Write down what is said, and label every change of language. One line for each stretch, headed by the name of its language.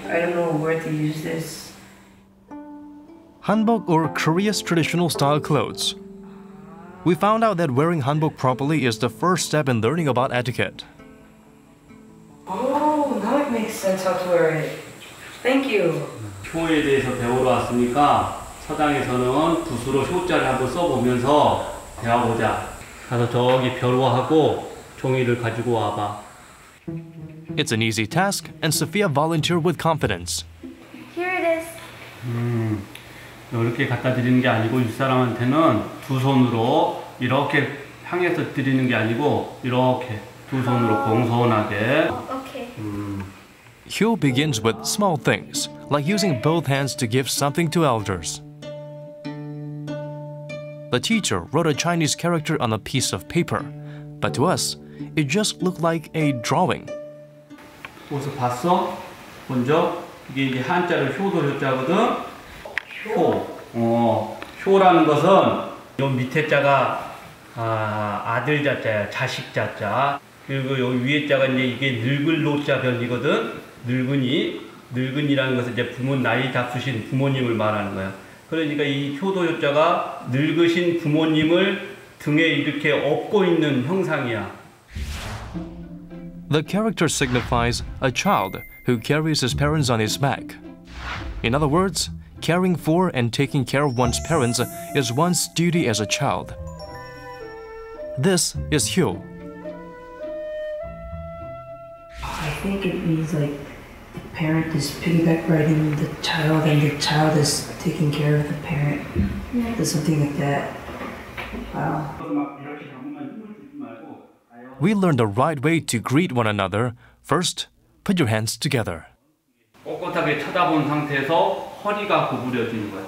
English: I don't know where to use this. Hanbok, or Korea's traditional style clothes. We found out that wearing hanbok properly is the first step in learning about etiquette. Oh, now it makes sense how to wear it. Thank you.
Korean: 표에 대해서 배우러 왔으니까 서당에서는 붓으로 효자를 한번 써보면서 배워보자. 가서 저기 벼로 하고 종이를 가지고 와봐.
English: It's an easy task, and Sophia volunteered with confidence. Here it is.
Korean: 이렇게 갖다 드리는 게 아니고 윗사람한테는 두 손으로 이렇게 향해서 드리는 게 아니고 이렇게 두 손으로 공손하게.
English: Okay. Hyo begins with small things, like using both hands to give something to elders. The teacher wrote a Chinese character on a piece of paper, but to us, it just looked like a drawing.
Korean: 어디서 봤어? 본 적? 이게 이제 한자로 효도 효자거든. 효. 효라는 것은 이 밑에 자가 아들 자자야, 자식 자자. 그리고 여기 위에 자가 이제 이게 늙을 노자 변이거든. 늙은이. 늙은이라는 것은 이제 부모 나이 잡수신 부모님을 말하는 거야. 그러니까 이 효도효자가 늙으신 부모님을 등에 이렇게 업고 있는 형상이야.
English: The character signifies a child who carries his parents on his back. In other words, caring for and taking care of one's parents is one's duty as a child. This is hyo. I think it means like the parent is piggyback riding the child, and the child is taking care of the parent. Yeah. Something like that. Wow. We learned the right way to greet one another. First, put your hands together.
Korean: 꼿꼿하게 쳐다본 상태에서 허리가 구부려지는 거야.